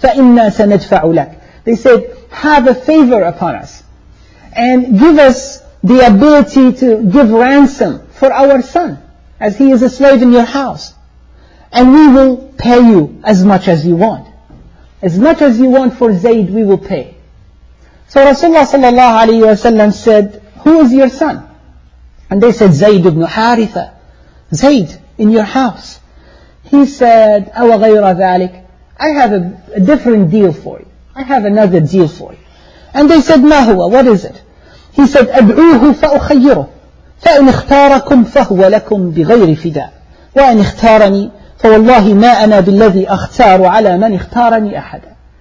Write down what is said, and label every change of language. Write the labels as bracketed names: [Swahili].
[Arabic] Fa inna sanadfa'u lak. [English] They said, have a favor upon us and give us the ability to give ransom for our son, as he is a slave in your house. And we will pay you as much as you want. As much as you want for Zayd, we will pay. So Rasulullah sallallahu alayhi wa sallam said, who is your son? And they said, Zayd ibn Haritha. Zayd, in your house. He said, [Arabic] أَوَ غَيْرَ ذَلِكَ. [English] I have a different deal for you. I have another deal for you. And they said, [Arabic] مَا هُوَ. [English] What is it? He said, [Arabic] أَبْعُوهُ فَأُخَيِّرُهُ فَإِنْ اخْتَارَكُمْ فَهُوَ لَكُمْ بِغَيْرِ فِدَاءٍ وَإِنْ اخْتَارَنِي فَوَاللَّهِ مَا أَنَا بِالَّذِي أَخْتَارُ عَلَى مَنْ اخْتَارَنِي أَحَدًا.